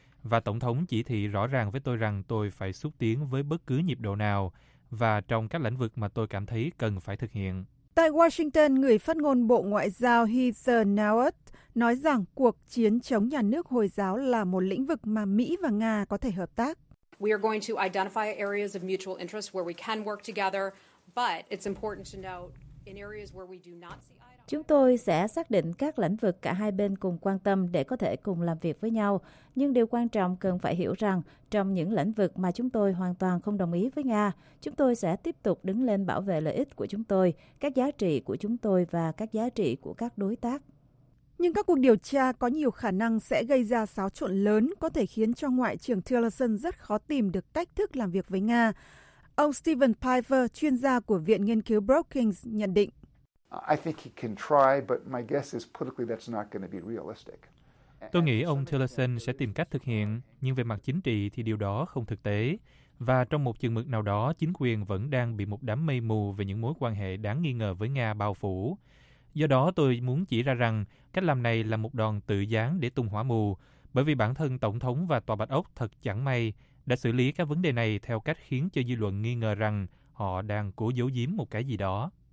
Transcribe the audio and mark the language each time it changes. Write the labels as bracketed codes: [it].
[vi] Và Tổng thống chỉ thị rõ ràng với tôi rằng tôi phải xúc tiến với bất cứ nhịp độ nào và trong các lĩnh vực mà tôi cảm thấy cần phải thực hiện. Tại Washington, người phát ngôn Bộ Ngoại giao Heather Nauert nói rằng cuộc chiến chống nhà nước Hồi giáo là một lĩnh vực mà Mỹ và Nga có thể hợp tác. [en] We are going to identify areas of mutual interest where we can work together, but it's important to note in areas where we do not see eye to eye. [vi] Chúng tôi sẽ xác định các lĩnh vực cả hai bên cùng quan tâm để có thể cùng làm việc với nhau, nhưng điều quan trọng cần phải hiểu rằng trong những lĩnh vực mà chúng tôi hoàn toàn không đồng ý với Nga, chúng tôi sẽ tiếp tục đứng lên bảo vệ lợi ích của chúng tôi, các giá trị của chúng tôi và các giá trị của các đối tác. Nhưng các cuộc điều tra có nhiều khả năng sẽ gây ra xáo trộn lớn, có thể khiến cho Ngoại trưởng Tillerson rất khó tìm được cách thức làm việc với Nga. Ông Stephen Piper, chuyên gia của Viện Nghiên cứu Brookings, nhận định. [en] I think he can try, but my guess is politically that's not going to be realistic. [vi] Tôi nghĩ ông Tillerson sẽ tìm cách thực hiện, nhưng về mặt chính trị thì điều đó không thực tế. Và trong một chừng mực nào đó, chính quyền vẫn đang bị một đám mây mù về những mối quan hệ đáng nghi ngờ với Nga bao phủ. Do đó, tôi muốn chỉ ra rằng cách làm này là một đòn tự giáng để tung hỏa mù, bởi vì bản thân Tổng thống và Tòa Bạch Ốc thật chẳng may đã xử lý các vấn đề này theo cách khiến cho dư luận nghi ngờ rằng họ đang cố giấu giếm một cái gì đó.